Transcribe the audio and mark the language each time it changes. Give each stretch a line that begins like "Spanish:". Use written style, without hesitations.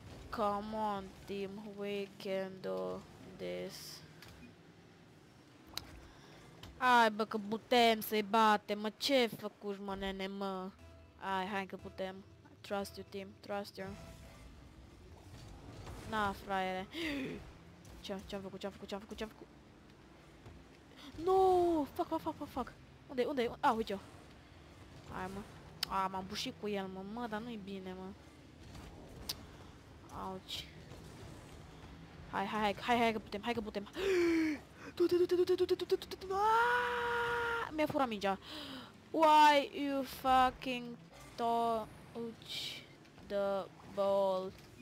English: Come on, team, we can do this.
Romanian: Hai, bă, că putem să-i batem, mă, ce făcuși, mă, nene, mă. Hai, hai, că putem.
English: Trust you, team, trust you.
Romanian: Na, fraiere. Ce-am făcut, ce-am făcut, ce-am făcut, ce-am făcut?
English: No! Fuck, fuck, fuck, fuck, fuck.
Romanian: Unde-i, unde-i? A, uite-o. Hai, mă. A, m-am bușit cu el, mă, dar nu-i bine, mă. Auci. Hai, hai, hai, hai, hai, că putem, hai, că putem. Du-te, du-te, du-te, du-te, du-te, du-te, du-te, du-te. Mi-a furat mingea.
English: Why you fucking touch the ball?